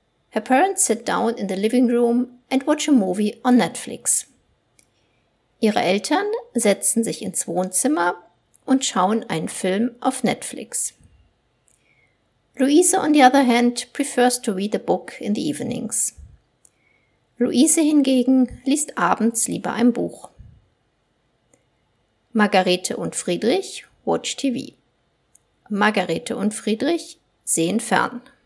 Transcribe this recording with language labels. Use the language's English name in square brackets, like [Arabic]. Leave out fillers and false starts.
[English] Her parents sit down in the living room and watch a movie on Netflix. [German] Ihre Eltern setzen sich ins Wohnzimmer und schauen einen Film auf Netflix. [English] Luise, on the other hand, prefers to read a book in the evenings. [German] Luise hingegen liest abends lieber ein Buch. [English] Margarete und Friedrich watch TV. [German] Margarete und Friedrich sehen fern.